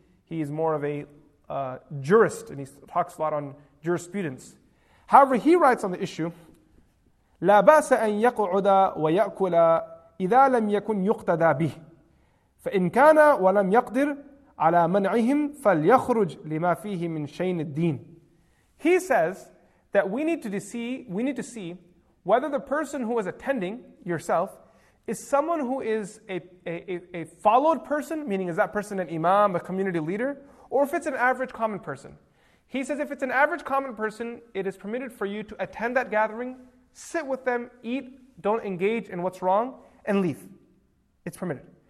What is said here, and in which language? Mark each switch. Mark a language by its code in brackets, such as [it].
[en] He is more of a jurist, and he talks a lot on jurisprudence. However, he writes on the issue, [ar] لَا بَأْسَ أَن يَقْعُدَ وَيَأْكُلَ إِذَا لَمْ يَكُنْ يُقْتَدَى بِهِ فَإِنْ كَانَ وَلَمْ يَقْدِرْ عَلَىٰ مَنْعِهِمْ فَلْيَخْرُجْ لِمَا فِيهِ مِنْ شَيْنِ الدِّينِ. [en] He says that we need to see whether the person who is attending, yourself, is someone who is a followed person, meaning is that person an imam, a community leader, or if it's an average common person. He says if it's an average common person, it is permitted for you to attend that gathering, sit with them, eat, don't engage in what's wrong, and leave. It's permitted.